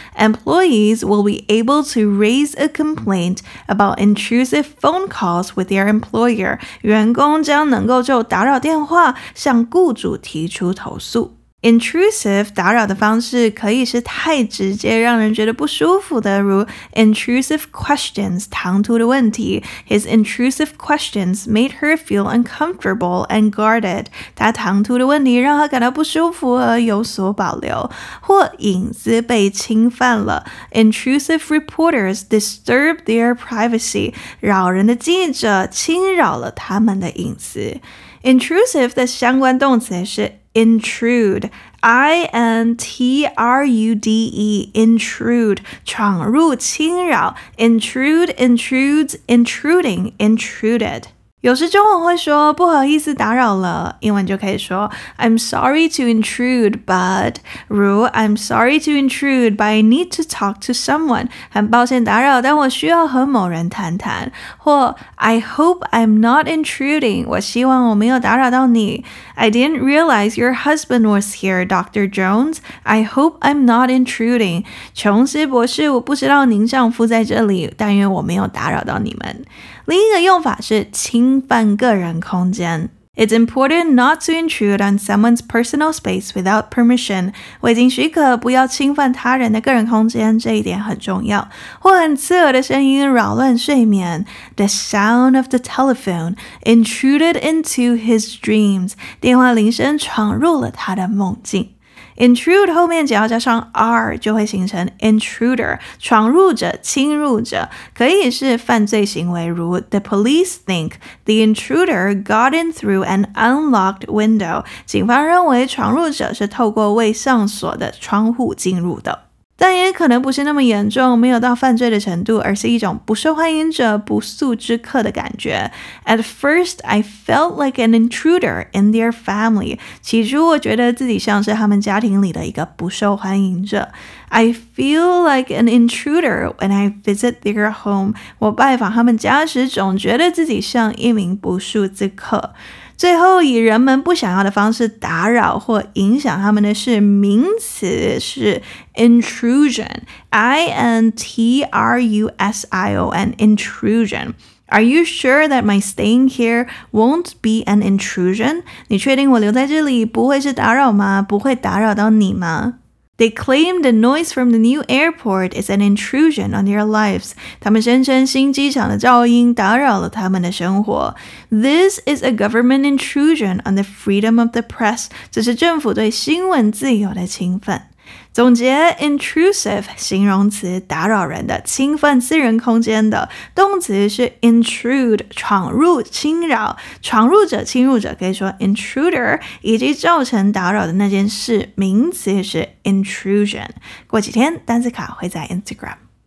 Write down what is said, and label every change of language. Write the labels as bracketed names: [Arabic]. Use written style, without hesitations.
[English] Employees will be able to raise a complaint about intrusive phone calls with their employer. [Chinese] 员工将能够就打扰电话向雇主提出投诉。 Intrusive 打扰的方式可以是太直接让人觉得不舒服的，如 [English] intrusive questions [Chinese] 唐突的问题。 [English] His intrusive questions made her feel uncomfortable and guarded. [Chinese] 他唐突的问题让他感到不舒服而有所保留。或隐私被侵犯了， [English] intrusive reporters disturb their privacy. [Chinese] 扰人的记者侵扰了他们的隐私。 Intrusive 的相关动词是intrude, I-N-T-R-U-D-E, intrude, 闯入侵扰 intrude, intrudes, intruding, intruded. 有时中文会说不好意思打扰了，英文就可以说 [English] I'm sorry to intrude, but Rue, I'm sorry to intrude, but I need to talk to someone. [Chinese] 很抱歉打扰，但我需要和某人谈谈。 [English] 或 I hope I'm not intruding. [Chinese] 我希望我没有打扰到你。 [English] I didn't realize your husband was here, Dr. Jones. I hope I'm not intruding. [Chinese] 琼斯博士，我不知道您丈夫在这里，但愿我没有打扰到你们。另一个用法是侵犯个人空间。 [English] It's important not to intrude on someone's personal space without permission. [Chinese] 未经许可，不要侵犯他人的个人空间，这一点很重要。或很刺耳的声音扰乱睡眠。 [English] The sound of the telephone intruded into his dreams. [Chinese] 电话铃声闯入了他的梦境。 Intrude 后面只要加上 r 就会形成 intruder, 闯入者、侵入者，可以是犯罪行为，如 [English] The police think the intruder got in through an unlocked window. [Chinese] 警方认为闯入者是透过未上锁的窗户进入的。但也可能不是那么严重，没有到犯罪的程度，而是一种不受欢迎者、不速之客的感觉。 [English] At first, I felt like an intruder in their family. [Chinese] 起初我觉得自己像是他们家庭里的一个不受欢迎者。 [English] I feel like an intruder when I visit their home. [Chinese] 我拜访他们家时总觉得自己像一名不速之客。最后以人们不想要的方式打扰或影响他们的是名词是 intrusion, I-N-T-R-U-S-I-O-N, intrusion. [English] Are you sure that my staying here won't be an intrusion? [Chinese] 你确定我留在这里不会是打扰吗？不会打扰到你吗？ [English] They claim the noise from the new airport is an intrusion on their lives. [Chinese] 他们声称新机场的噪音打扰了他们的生活。 [English] This is a government intrusion on the freedom of the press. [Chinese] 这是政府对新闻自由的侵犯。总结 intrusive 形容词打扰人的侵犯私人空间的动词是 intrude 闯入侵扰闯入者侵入者可以说 intruder 以及造成打扰的那件事名词是 intrusion 过几天单词卡会在 Instagram